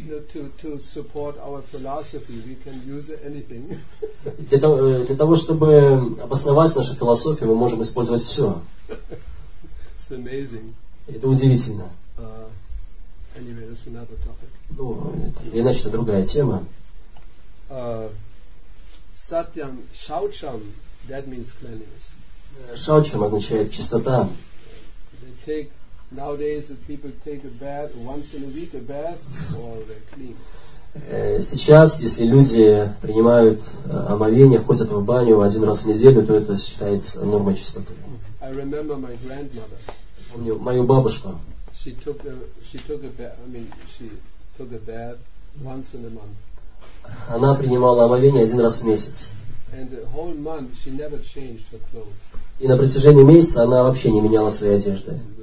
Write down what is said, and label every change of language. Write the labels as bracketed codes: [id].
[en] To support our philosophy, we can use anything. [ru] Для того, чтобы обосновать нашу философию, мы можем использовать все. [en] It's amazing. [ru] Это удивительно. [en] Anyway, that's another topic. [ru] Ну, это, иначе это другая тема. [en] Satyam Shaucham, that means cleanliness. [ru] Шаучам означает чистота. [en] They take, nowadays the people take a bath once in a week, a bath, or they're clean. [ru] Сейчас, если люди принимают омовение, ходят в баню один раз в неделю, то это считается нормой чистоты. [en] I remember my grandmother. [ru] Помню мою бабушку. [en] She took a bath once in a month. [ru] Она принимала омовение один раз в месяц. [en] And the whole month she never changed her clothes. [ru] И на протяжении месяца она вообще не меняла своей одежды.